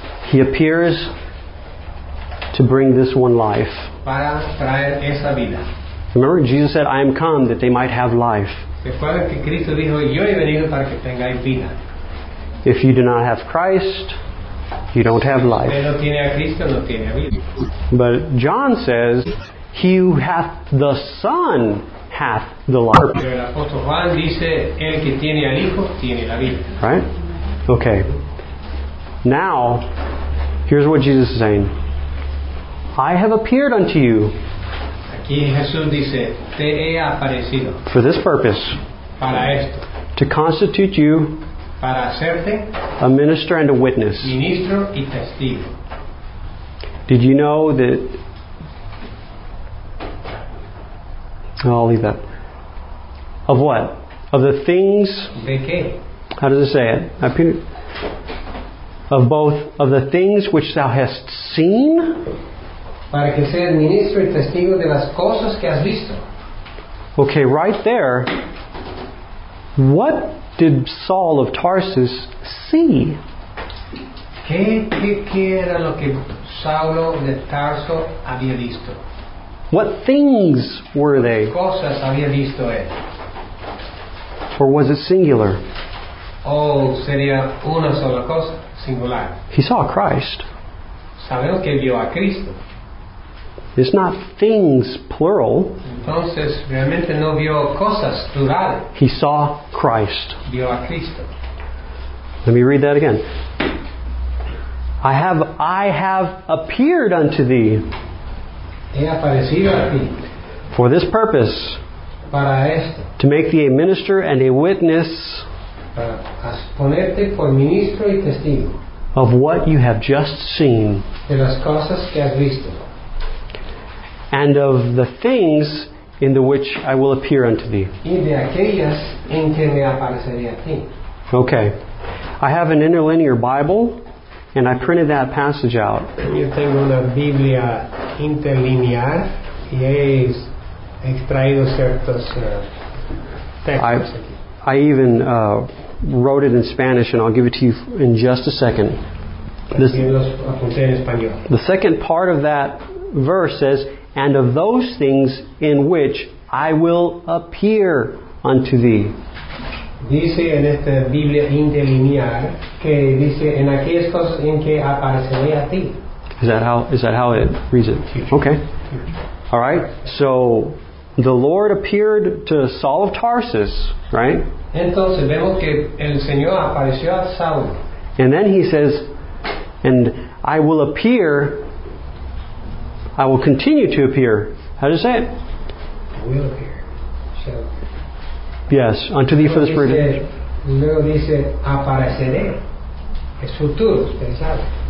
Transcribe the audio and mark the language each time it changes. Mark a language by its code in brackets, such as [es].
[en] He appears to bring this one life. [es] Para traer esa vida. [en] Remember, Jesus said, I am come that they might have life. [es] Recuerden que Cristo dijo, yo he venido para que tengáis vida. [en] If you do not have Christ, you don't have life. [es] Si usted no tiene a Cristo, no tiene vida. [en] But John says, he who hath the Son hath the life. [es] Pero el apóstol Juan dice, el que tiene al Hijo, tiene la vida. [en] Right? Okay. Now, here's what Jesus is saying. I have appeared unto you. [es] Aquí Jesús dice, te he aparecido. [en] For this purpose. [es] Para esto. [en] To constitute you. [es] Para hacerte. [en] A minister and a witness. [es] Ministro y testigo. [en] Did you know that? Oh, I'll leave that. Of what? Of the things. [es] De qué? [en] How does it say it? I appeared. Of both of the things which thou hast seen, [es] para que sea el ministro y testigo de las cosas que has visto. [en] Okay, right there. What did Saul of Tarsus see? [es] ¿Qué era lo que Saulo de Tarso había visto? [en] What things were they? [es] Cosas había visto él. [en] Or was it singular? [es] Oh, sería una sola cosa, singular. [en] He saw Christ. [es] Sabemos que vio a Cristo. [en] It's not things, plural. [es] Entonces, realmente no vio cosas, plural. [en] He saw Christ. [es] Vio a Cristo. [en] Let me read that again. I have appeared unto thee. [es] He aparecido a ti. [en] For this purpose. [es] Para esto. [en] To make thee a minister and a witness. [es] Para ponerte por ministro y testigo. [en] Of what you have just seen. [es] De las cosas que has visto. [en] And of the things in the which I will appear unto thee. [es] Y de aquellas en que me aparecería a ti. [en] Okay. I have an interlinear Bible, and I printed that passage out. [es] Yo tengo una Biblia interlinear, y he extraído ciertos textos aquí. [en] I even wrote it in Spanish, and I'll give it to you in just a second. The second part of that verse says, and of those things in which I will appear unto thee. [es] Dice en esta Biblia interlinear que dice en aquellas cosas en que apareceré a ti. [en] Is that how it reads it? Okay. All right. So the Lord appeared to Saul of Tarsus, right? [es] Entonces vemos que el Señor apareció a Saul. [en] And then he says, and I will appear. I will continue to appear. How does it say it? I will appear. So, yes, unto thee for the spirit. [es] Luego dice, apareceré. Es futuro, pensado.